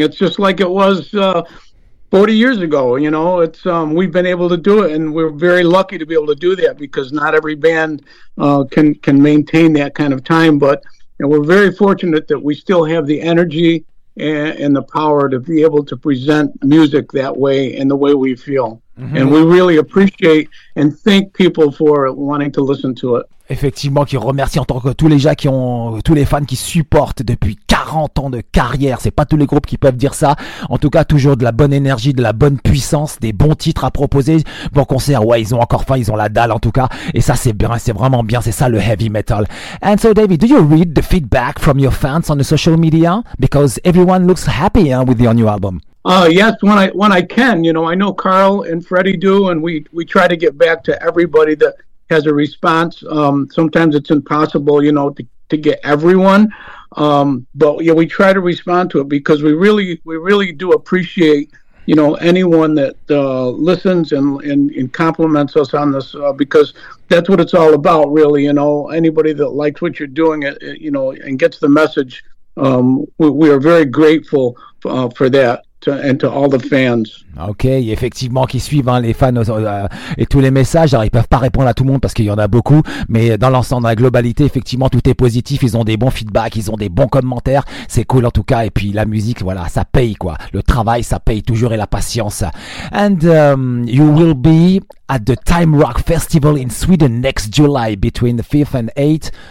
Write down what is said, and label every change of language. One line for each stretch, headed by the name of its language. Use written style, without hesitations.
English: It's just like it was 40 years ago, you know, it's we've been able to do it, and we're very lucky to be able to do that, because not every band can maintain that kind of time. But you know, we're very fortunate that we still have the energy and the power to be able to present music that way and the way we feel. Mm-hmm. And we really appreciate and thank people for wanting to listen to it.
French: Effectivement, qui remercie en tant que tous les fans qui supportent depuis 40 ans de carrière. C'est pas tous les groupes qui peuvent dire ça. En tout cas, toujours de la bonne énergie, de la bonne puissance, des bons titres à proposer. Bon concert, ouais, ils ont encore faim, ils ont la dalle en tout cas. Et ça, c'est bien, c'est vraiment bien, c'est ça le heavy metal.
English: And so, David, do you read the feedback from your fans on the social media? Because everyone looks happy, hein, with your new album. Yes, when I can. You know, I know Carl and Freddie do, and we try to get back to everybody that has a response. Sometimes it's impossible, you know, to get everyone. But yeah, we try to respond to it, because we really do appreciate you know, anyone that listens and compliments us on this, because that's what it's all about, really. You know, anybody that likes what you're doing, you know, and gets the message, we are very grateful for that. And to all the fans.
French: Ok, effectivement, qui suivent hein, les fans et tous les messages. Alors, ils peuvent pas répondre à tout le monde parce qu'il y en a beaucoup, mais dans l'ensemble, dans la globalité, effectivement, tout est positif. Ils ont des bons feedbacks, ils ont des bons commentaires. C'est cool en tout cas. Et puis la musique, voilà, ça paye quoi. Le travail, ça paye toujours et la patience.
English: And you will be at the Time Rock Festival in Sweden next July, between the 5th and 8th.